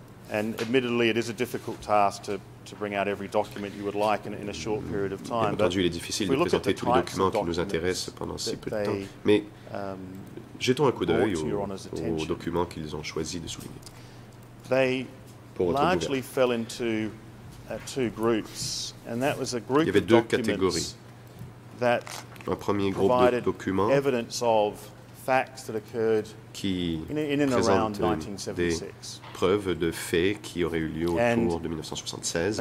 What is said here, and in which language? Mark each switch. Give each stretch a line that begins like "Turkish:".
English: And admittedly, it is a difficult task to bring out every document you would like in a short period of time.
French: Bien entendu, il est difficile de présenter tous les documents qui nous intéressent pendant si peu de temps. Mais jetons un coup d'œil aux documents qu'ils ont choisi de souligner.
English: They largely fell into two groups, and that was a group of documents that provided evidence of facts that occurred
French: qui présente preuves de faits qui auraient eu lieu autour de 1976.